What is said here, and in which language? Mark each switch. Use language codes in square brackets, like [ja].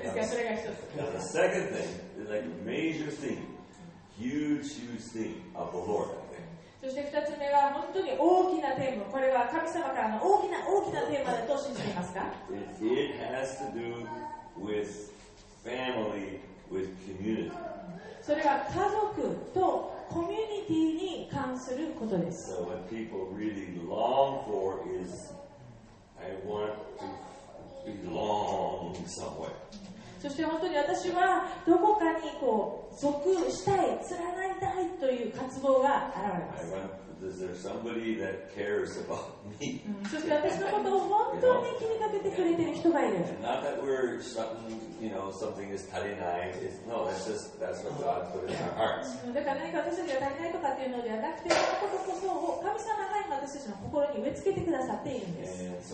[en] Now the second thing, like major theme, huge theme of the Lord, I think. [ja] そして二つ目は本当に大きなテーマ。これは神様からの大きなテーマだと信じていますか？ [en] It has to do with family, with community. [ja] それは家族とコミュニティに関することです。 [en] So what people really long for is, I want to belong somewhere. [ja] そして本当に私はどこかにこう属したい、連なりたいという渇望が現れます。 [en] Is there somebody that cares about me? [ja] そして私のことを本当に気にかけてくれている人がいる。 [en] Not that we're something, you know, something is [ja] 足りない. [en] No, that's what God put in our hearts. [ja] だから何か私たちが足りないとかっていうのではなくて、そのことこそを神様が今私たちの心に植え付けてくださっているんです。